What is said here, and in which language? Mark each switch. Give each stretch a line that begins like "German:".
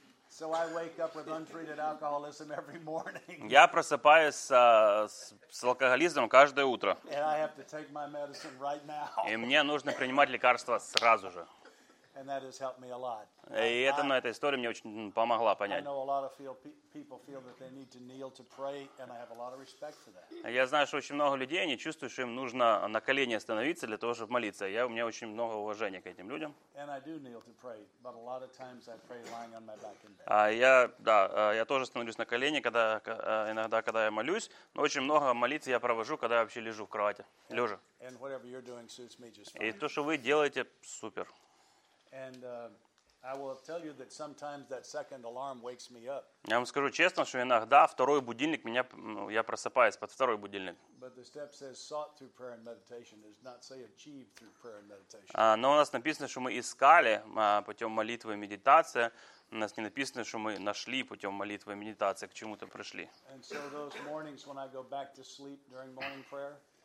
English: So I wake up with untreated alcoholism every morning.
Russian: Я просыпаюсь с алкоголизмом каждое утро.
English: And I have to take my medicine right now.
Russian: И мне нужно принимать лекарства сразу же.
English: And that has helped me a lot.
Russian: И это на этой истории мне очень помогла понять.
English: I know a lot of people feel that they need to kneel to pray, and I have a lot of respect for that.
Russian: Я знаю, что очень много людей, они чувствуют, что им нужно на колени становиться для того, чтобы молиться. У меня очень много уважения к этим людям.
English: And I do kneel to pray, but a lot of times I pray lying on my back in bed.
Russian: Я тоже становлюсь на колени, когда я молюсь. Но очень много молитв я провожу, когда я вообще лежу в кровати, лежа.
English: And whatever you're doing suits me just fine.
Russian: И то, что вы делаете, супер.
English: And I will tell you that sometimes that second alarm wakes me up.
Russian: Я вам скажу честно, что иногда второй будильник меня, я просыпаюсь под второй будильник.
English: But the step says sought through prayer and meditation, does not say achieved through prayer and meditation.
Russian: Но у нас написано, что мы искали путем молитвы и медитации. У нас не написано, что мы нашли путем молитвы и медитации к чему-то пришли.
English: And so those mornings when I go back to sleep during morning prayer.